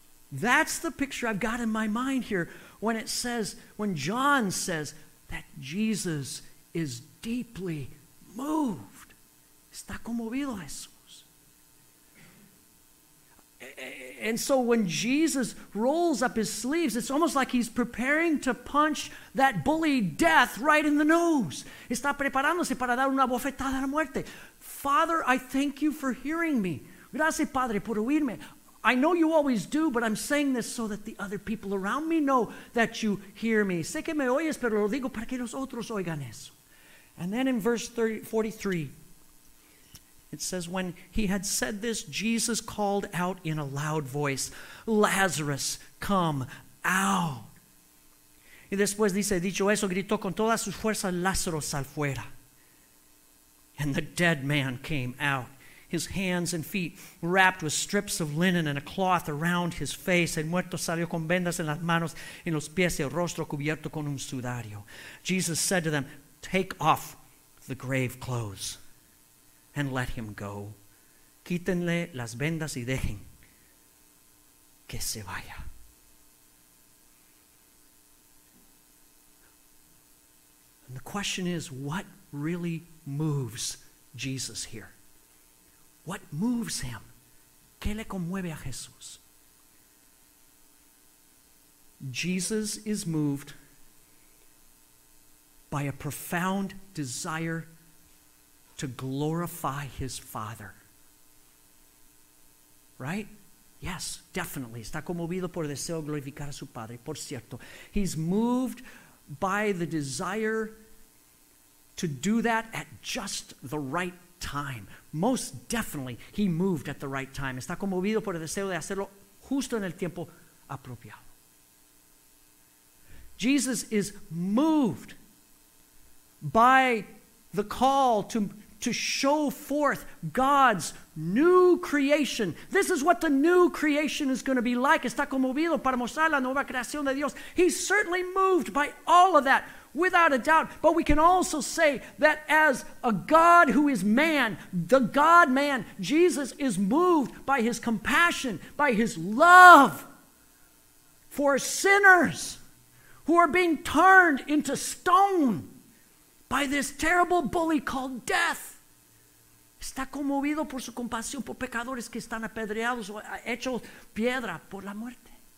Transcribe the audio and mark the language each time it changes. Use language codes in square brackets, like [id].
[en] That's the picture I've got in my mind here when it says, when John says that Jesus is deeply moved. [es] Está conmovido eso. [en] And so when Jesus rolls up his sleeves, it's almost like he's preparing to punch that bully death right in the nose. [es] Está preparándose para dar una bofetada a la muerte. [en] Father, I thank you for hearing me. [es] Gracias, Padre, por oírme. [en] I know you always do, but I'm saying this so that the other people around me know that you hear me. [es] Sé que me oyes, pero lo digo para que los otros oigan eso. [en] And then in verse 43, it says, when he had said this, Jesus called out in a loud voice, Lazarus, come out. [es] Y después dice, dicho eso, gritó con toda su fuerza, Lázaro, sal fuera. [en] And the dead man came out, his hands and feet wrapped with strips of linen and a cloth around his face. [es] El muerto salió con vendas en las manos, en los pies, el rostro cubierto con un sudario. [en] Jesus said to them, take off the grave clothes. And let him go. [es] Quítenle las vendas y dejen que se vaya. [en] And the question is, what really moves Jesus here? What moves him? [es] ¿Qué le conmueve a Jesús? [en] Jesus is moved by a profound desire to glorify his Father. Right? Yes, definitely. [es] Está conmovido por deseo glorificar a su Padre. Por cierto, [en] he's moved by the desire to do that at just the right time. Most definitely, he moved at the right time. [es] Está conmovido por el deseo de hacerlo justo en el tiempo apropiado. [en] Jesus is moved by the call to show forth God's new creation. This is what the new creation is going to be like. [es] Está conmovido para mostrar la nueva creación de Dios. [en] He's certainly moved by all of that, without a doubt. But we can also say that as a God who is man, the God-man, Jesus is moved by his compassion, by his love for sinners who are being turned into stone by this terrible bully called death. [es] Está conmovido por su compasión por pecadores que están apedreados o hechos piedra por la muerte.